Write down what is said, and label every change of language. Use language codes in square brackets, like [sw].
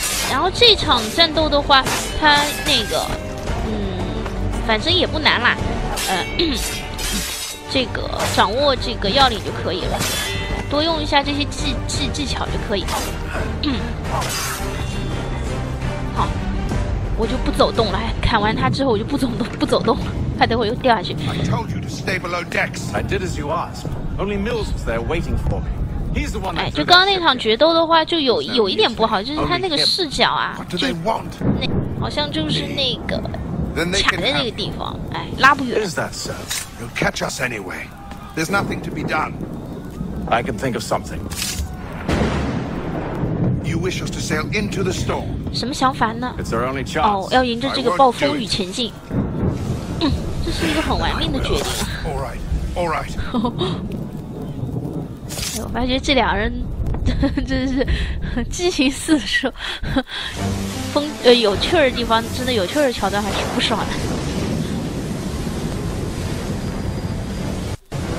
[zh] 然后这场战斗的话，它那个。反正也不难啦，这个掌握这个要领就可以了，多用一下这些技巧就可以了。好，我就不走动了，砍完他之后我就不走动了，怕等会又掉下去。 [en] I told you to stay below decks. I did as you asked. Only Mills was there waiting for me. [zh] 哎，就刚刚那场决斗的话，就有一点不好，就是他那个视角啊，那好像就是那个卡在那个地方，哎，拉不远。 [en] Is that so? You'll catch us anyway. There's nothing to be done. I can think of something. You wish us to sail into the storm. [zh] 什么想法呢？ [en] It's our only chance. [zh] 哦，要迎着这个暴风雨前进。这是一个很玩命的决定。 [en] All right, all right. [zh] 我发觉这两人真是激情四射，有趣的地方，真的有趣的桥段还是不少的。